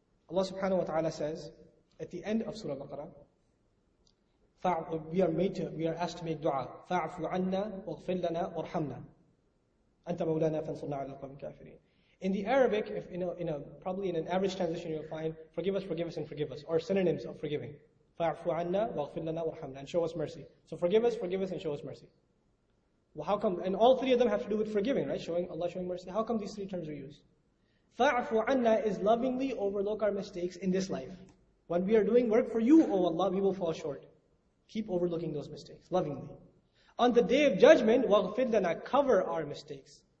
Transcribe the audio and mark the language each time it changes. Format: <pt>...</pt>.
<en>Allah subhanahu wa ta'ala says, at the end of Surah Baqarah, we are asked to make dua.</en> <ar>فَاعْفُ عَنَّا وَغْفِرْ لَنَا وَرْحَمْنَا أَنْتَ مَوْلَانَا فَانْصُرْنَا عَلَى الْقَوْمِ الْكَافِرِينَ.</ar> <en>In the Arabic, if probably in an average transition, you'll find, forgive us, and forgive us, or synonyms of forgiving.</en> <ar>فَاعْفُ عَنَّا وَغْفِرْ لَنَا وَرْحَمْنَا,</ar> <en>and show us mercy. So forgive us, and show us mercy. Well, how come? And all three of them have to do with forgiving, right? Showing Allah, showing mercy. How come these three terms are used?</en> <ar>فَاعْفُ عَنَّا</ar> <en>is lovingly overlook our mistakes in this life. When we are doing work for you, O Allah, we will fall short. Keep overlooking those mistakes, lovingly. On the day of judgment,</en> <ar>وَغْفِرْ لَنَا,</ar> <en>cover our mistakes.</en>